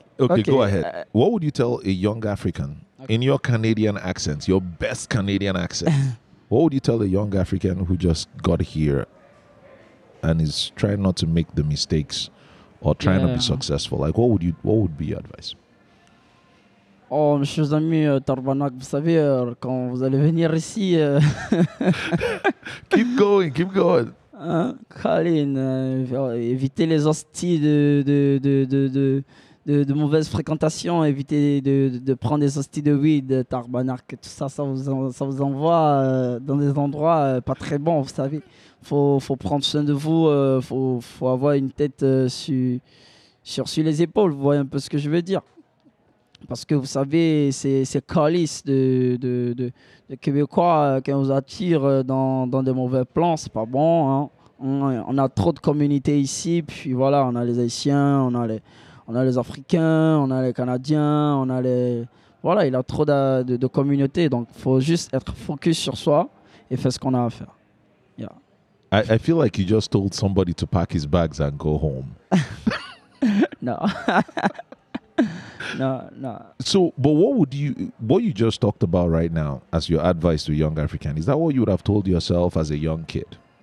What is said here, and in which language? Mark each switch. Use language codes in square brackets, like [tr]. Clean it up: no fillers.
[en] Okay, go ahead. What would you tell a young African in your Canadian accent, your best Canadian accent? What would you tell a young African who just got here and is trying not to make the mistakes or trying to be successful? Like, what would be your advice? [fr] Oh, monsieur Zami, Tarbanak, vous savez, quand vous allez venir ici... [en] Keep going. [fr] Colin, évitez les hosties de mauvaise fréquentation, éviter de prendre des hosties de weed, tarbanark, tout ça, ça vous envoie dans des endroits pas très bons, vous savez. Faut prendre soin de vous, faut avoir une tête sur les épaules, vous voyez un peu ce que je veux dire. Parce que vous savez, c'est calice de Québécois qui vous attire dans des mauvais plans, c'est pas bon. Hein. On a trop de communautés ici, puis voilà, on a les Haïtiens, on a les Africains, on a les Canadiens, on a les... Voilà, il a trop de communautés. Donc, il faut juste être focus sur soi et faire ce qu'on a à faire. [en] Yeah. I feel like you just told somebody to pack his bags and go home. No. No. So, but what you just talked about right now as your advice to a young African, is that what you would have told yourself as a young kid?